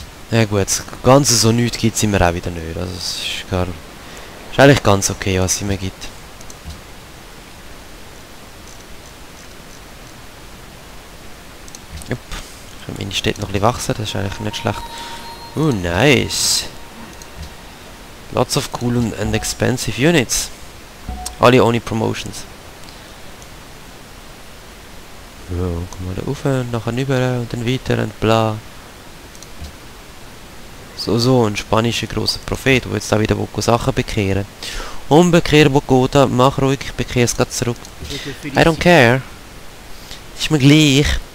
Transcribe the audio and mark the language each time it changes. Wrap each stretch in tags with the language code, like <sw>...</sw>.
<de>Ja gut, ganz so nichts gibt es immer auch wieder nicht. Also es ist gar... Ist eigentlich ganz okay, was es immer gibt. Jupp. Ich kann meine Städte noch ein bisschen wachsen, das ist eigentlich nicht schlecht.</de> <en>Oh, nice. Lots of cool and expensive units.</en> <de>Alle ohne Promotions. Ja, komm mal da rauf und nachher rüber und dann weiter und bla. So, so, ein spanischer grosser Prophet, der jetzt da wieder Sachen bekehren. Umbekehren, wo geht da? Mach ruhig, ich bekehre es gerade zurück.</de> <en>I don't care.</en> <de>Ist mir gleich.</de>